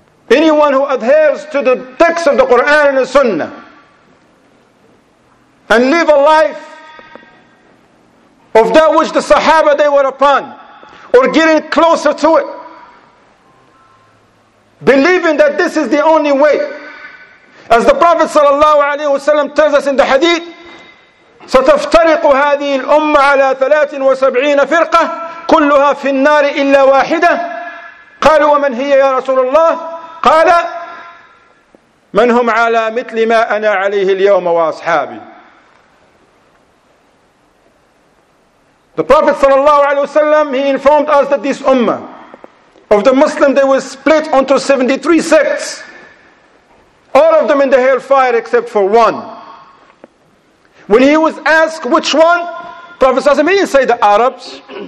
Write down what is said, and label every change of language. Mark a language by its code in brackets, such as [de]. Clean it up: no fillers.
[en] Anyone who adheres to the text of the Quran and the Sunnah and live a life of that which the Sahaba they were upon, or getting closer to it, believing that this is the only way. As the Prophet sallallahu alaihi wasallam tells us in the hadith, [ar] ستفترق هذه الأمة على 73 فرقة كلها في النار إلا واحدة. قالوا ومن هي يا رسول الله؟ قال من هم على مثل ما أنا عليه اليوم وأصحابي. [en] The Prophet sallallahu alaihi wasallam, he informed us that this ummah of the Muslim, they were split into 73 sects, all of them in the hellfire except for one. When he was asked which one, Prophet sallallahu alaihi wasallam, he didn't say the Arabs.